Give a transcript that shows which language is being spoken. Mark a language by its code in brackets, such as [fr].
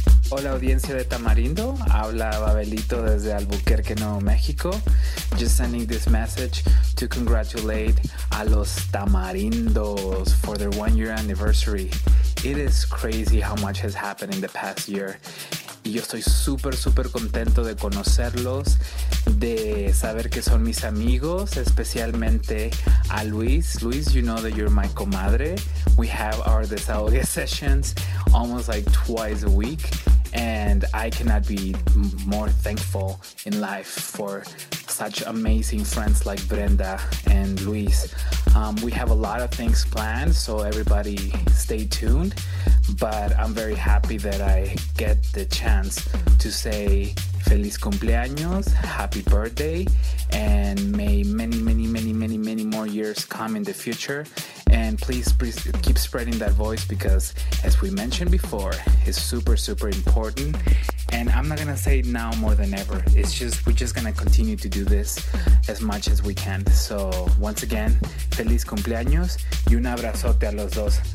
[es] Hola, audiencia de Tamarindo. Habla Babelito desde Albuquerque, Nuevo México. [en] Just sending this message to congratulate [es] a los Tamarindos [en] for their one-year anniversary. It is crazy how much has happened in the past year. [es] Y yo estoy súper, súper contento de conocerlos, de saber que son mis amigos, especialmente a Luis. [en] Luis, you know that you're my comadre. We have our desahogue sessions almost like twice a week. And I cannot be more thankful in life for such amazing friends like Brenda and Luis. We have a lot of things planned, so everybody stay tuned. But I'm very happy that I get the chance to say [es] feliz cumpleaños, [en] happy birthday, and may many, many, many, many, many more years come in the future. And please, please keep spreading that voice because, as we mentioned before, it's super, super important. And I'm not going to say now more than ever. It's just, we're just going to continue to do this as much as we can. So, once again, [es] feliz cumpleaños y un abrazote a los dos.